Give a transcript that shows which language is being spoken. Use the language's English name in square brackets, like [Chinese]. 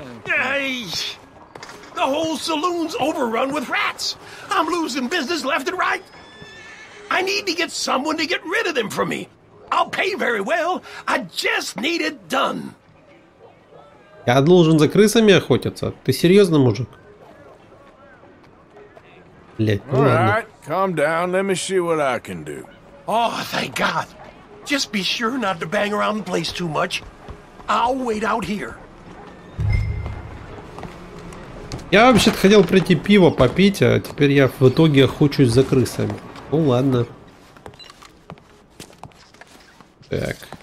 [English] Hey, the whole saloon's overrun with rats. I'm losing business left and right. I need to get someone to get rid of them for me. I'll pay very well. I just need it done. [Russian] Я должен за крысами охотиться? Ты серьезно, мужик? Блять, ну ладно. [English] Calm down, let me see what I can do. Oh, thank God. Just be sure not to bang around the place too much. I'll wait out here. [Russian] Я вообще-то хотел прийти пиво попить, а теперь я в итоге охочусь за крысами. Ну ладно. Так.